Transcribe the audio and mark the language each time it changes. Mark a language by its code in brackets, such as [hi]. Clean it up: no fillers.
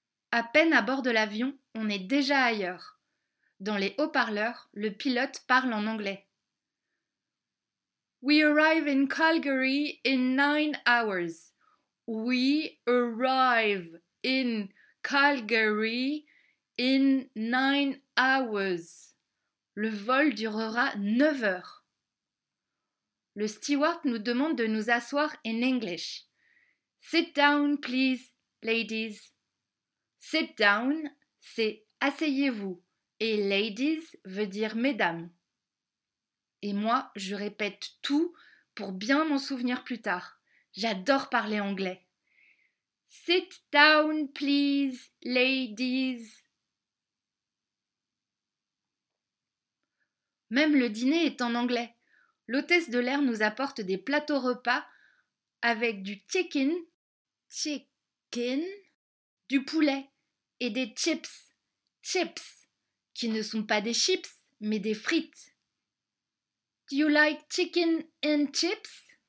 [fr] À peine à bord de l'avion, on est déjà ailleurs. Dans les haut-parleurs, le pilote parle en anglais. [en] We arrive in Calgary in 9 hours. We arrive in Calgary in 9 hours. [fr] Le vol durera 9 heures. Le steward nous demande de nous asseoir [en] in English. Sit down, please, ladies. [fr] Sit down, c'est asseyez-vous. Et ladies veut dire mesdames. Et moi, je répète tout pour bien m'en souvenir plus tard. J'adore parler anglais. [en] Sit down, please, ladies. [fr] Même le dîner est en anglais. L'hôtesse de l'air nous apporte des plateaux repas avec du chicken, du poulet et des chips, qui ne sont pas des chips, mais des frites. [en] Do you like chicken and chips?